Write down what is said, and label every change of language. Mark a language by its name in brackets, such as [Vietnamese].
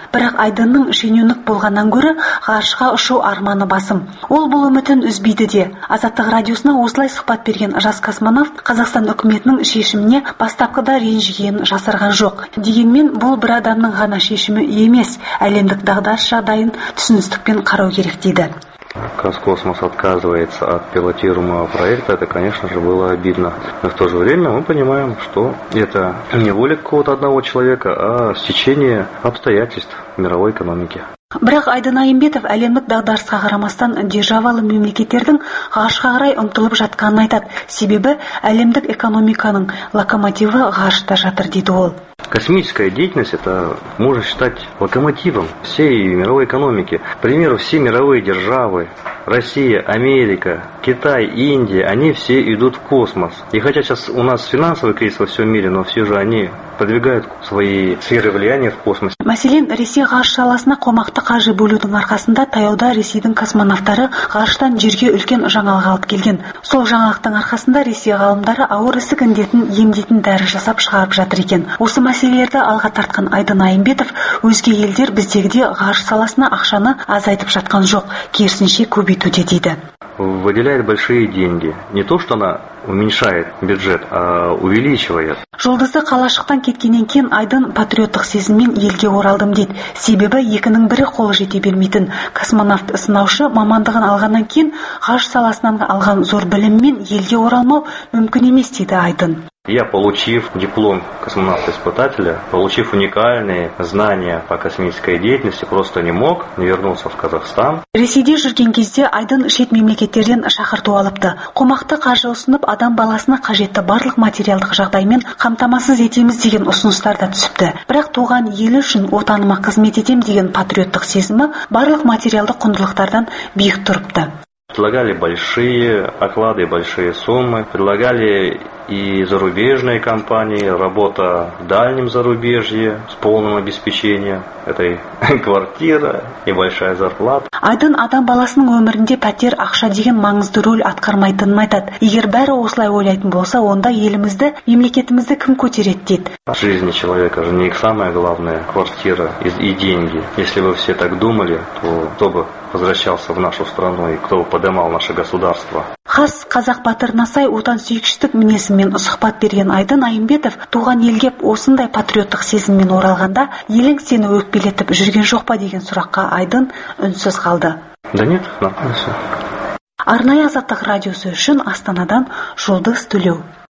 [Kazakh] Бірақ Айдынның шенеунік болғаннан гөрі ғарышқа ұшу арманы басым. Ол бұл үмітін үзбейді де. Азаттық радиосына осылай сұхбат берген жас космонавт Қазақстан үкіметінің шешіміне бастапқыда ренжігенін жасырған жоқ. Дегенмен бұл бір адамның ғана шешімі емес, әлемдік дағдарыс жағдайын түсіністікпен қарау керек дейді. [Russian] Казкосмос отказывается от пилотируемого проекта, это, конечно же, было обидно. Но в то же время мы понимаем, что это не воля какого-то одного человека, а стечение обстоятельств мировой экономики. [Kazakh] Бірақ Айдын Айымбетов әлемдік дағдарысқа қарамастан державалы мемлекеттердің ғарышқа қарай ұмтылып жатқанын айтады. Себебі әлемдік экономиканың локомотиві ғарышта жатыр дейді ол. [Russian] Космическая деятельность – это можно считать локомотивом всей мировой экономики. К примеру, все мировые державы – Россия, Америка, Китай, Индия – они все идут в космос. И хотя сейчас у нас финансовый кризис во всем мире, но все же они подвигают свои сферы влияния в космос. [Kazakh] Мәселен, Ресей ғарыш саласына қомақты қаржы бөлудің арқасында таяуда Ресейдің космонавтары ғарыштан жерге үлкен жаңалық алып келген. Сол жаңалықтың арқасында Ресей ғалымдары ауыр ісік індетін емдейтін дәрі жасап шығарып жатыр екен. Осы мәселелерді алға тартқан Айдын Айымбетов, өзге елдер біздегіде ғарыш саласына ақшаны азайтып жатқан жоқ, керісінше көбейтуде дейді. [Russian] Выделяет большие деньги. Не то, что она уменьшает бюджет, а увеличивает. [Kazakh] Жұлдызы қалашықтан кеткеннен кейін Айдын патриоттық сезіммен елге оралдым дейді. Себебі екінің бірі қолы жете бермейтін. Космонавт сынаушы мамандығын алғаннан кейін ғарыш саласынан алған зор біліммен елге оралмау мүмкін емес дейді Айдын. [Russian] Я, получив диплом космонавта-испытателя, получив уникальные знания по космической деятельности, просто не мог вернуться в Казахстан. [Kazakh] Ресейде жүрген кезде Айдын шет мемлекеттерден шақырту алыпты. Қомақты қаржы ұсынып, адам баласына қажетті барлық материалдық жағдаймен қамтамасыз етеміз деген ұсыныстар да түсіпті. Бірақ туған елі үшін отаныма қызмет етем деген патриоттық сезімі барлық материалдық құндылықтардан биік тұрыпты. Предлагали большие оклады, большие суммы, предлагали и зарубежные компании, работа в дальнем зарубежье с полным обеспечением этой квартиры и большая зарплата. Айдын адам баласының өмірінде пәтер ақша деген маңызды рөл атқармайтынын айтады. Егер бәрі осылай ойлайтын болса, онда елімізді, мемлекетімізді кім көтереді дейді. [Russian] В жизни человека же не самое главное квартира и деньги. Если бы все так думали, то кто бы возвращался в нашу страну и кто бы поднимал наше государство. [Kazakh] Хас қазақ батырына сай отан сүйікшілік мінезімен сұхбат берген Айдын Айымбетов туған елге осындай патриоттық сезіммен оралғанда елің сені өкпелетіп жүрген жоқ па деген сұраққа Айдын үнсіз қалды. [Russian] Да нет, нормально. [Kazakh] Арнайы Азаттық радиосы үшін Астанадан Жұлдыз Төлеу.